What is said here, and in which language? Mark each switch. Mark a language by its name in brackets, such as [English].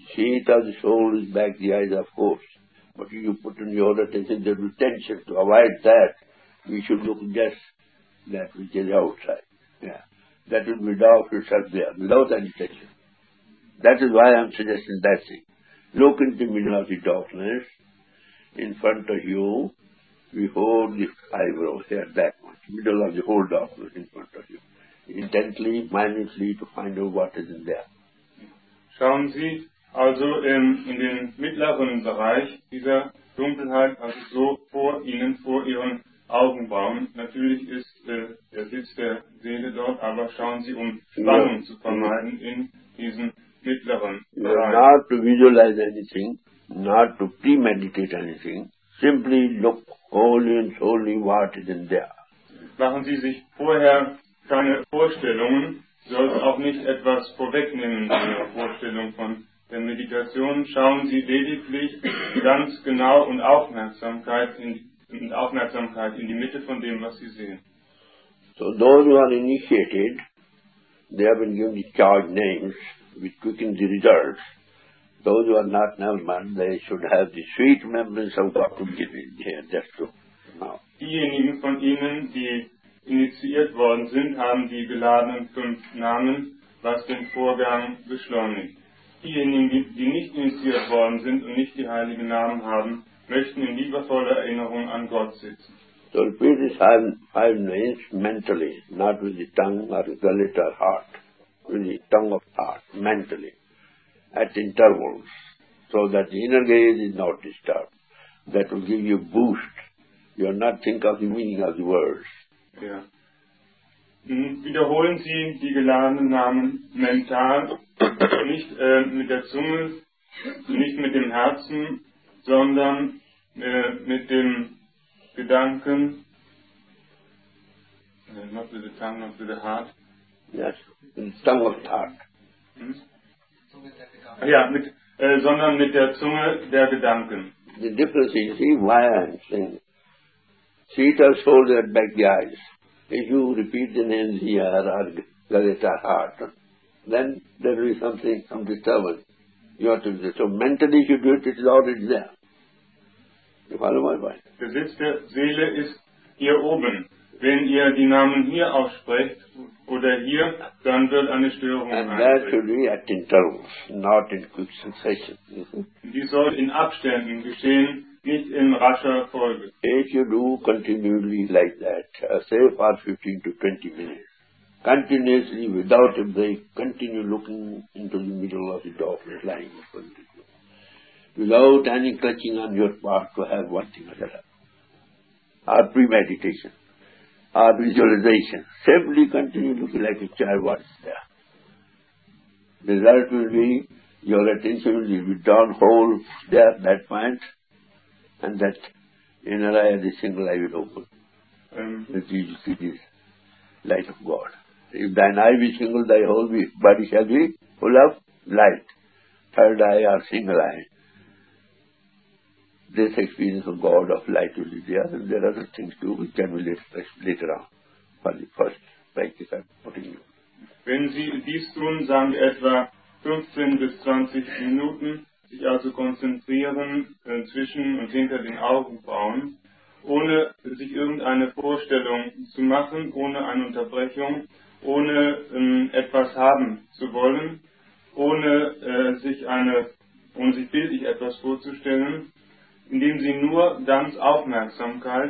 [English] Seat of the soul is back, the eyes of course. But if you put in your attention the retention to avoid that, you should look just that which is outside. Yeah. That will be dark yourself there, without any attention. That is why I'm suggesting that thing. Look into the middle of the darkness, in front of you, behold the eyebrow here, that much, middle of the whole darkness in front of you. Intently, minutely, to find out what is in there. [German] Schauen Sie also in den mittleren Bereich dieser Dunkelheit, also so vor Ihnen, vor Ihren Augenbrauen. Natürlich ist der Sitz der Seele dort, aber schauen Sie, um Spannung zu vermeiden in diesen mittleren Bereich. [English] Not to visualize anything, not to premeditate anything, simply look wholly and solely what is in there. [German] Machen Sie sich vorher keine Vorstellungen, sollte auch nicht etwas vorwegnehmen in der Vorstellung von der Meditation. Schauen Sie lediglich ganz genau und Aufmerksamkeit in die Mitte von dem, was Sie sehen. [English] So those who are initiated, they have been given the charge names, which quicken the results. Those who are not Nelman, they should have the sweet remembrance of God to give in here, that's true. Now. [German] Diejenigen von Ihnen, die initiiert worden sind, haben die geladenen fünf Namen, was den Vorgang beschleunigt. Diejenigen, die nicht initiiert worden sind und nicht die heiligen Namen haben, möchten in liebevoller Erinnerung an Gott sitzen. [English] So repeat these five names mentally, not with the tongue or the gullet or heart, with the tongue of heart, mentally, at intervals, so that the inner gaze is not disturbed. That will give you boost. You will not think of the meaning of the words. [German] Ja. Wiederholen Sie die geladenen Namen mental, nicht mit der Zunge, nicht mit dem Herzen, sondern mit dem Gedanken, [English] not with the tongue, not with the heart. Yes, with the tongue of the heart. [German] Ja, sondern mit der Zunge der Gedanken. [English] The difference is, see, why I'm saying, seat of soul that back the eyes. If you repeat the names here, or gullet or heart, then there will be some disturbance. You have to do it. So mentally if you do it, it is already there. You follow my point? [German] Der Sitz der Seele ist hier oben. Wenn ihr die Namen hier aussprecht, oder hier, dann wird eine Störung [English] sein. And that should be at intervals, not in quick succession. [German] Die soll in Abständen geschehen. Nicht in rascher Folge. [English] If you do continually like that, say for 15 to 20 minutes, continuously, without a break, continue looking into the middle of the darkness, lying upon the floor, without any clutching on your part to have one thing or other. Or premeditation, or visualization, simply continue looking like a child was there. The result will be your attention will be drawn whole there at that point, and that inner eye, the single eye will open. That you see this light of God. If thine eye be single, thy whole body shall be full of light. Third eye or single eye. This experience of God of light will be there, and there are other things too which can be expressed later on for the first practice I'm putting you. [German] Wenn Sie dies tun, sagen wir etwa 15 bis 20 Minuten, sich also konzentrieren, zwischen und hinter den Augenbrauen, ohne sich irgendeine Vorstellung zu machen, ohne eine Unterbrechung, ohne etwas haben zu wollen, ohne sich bildlich etwas vorzustellen, indem Sie nur ganz aufmerksam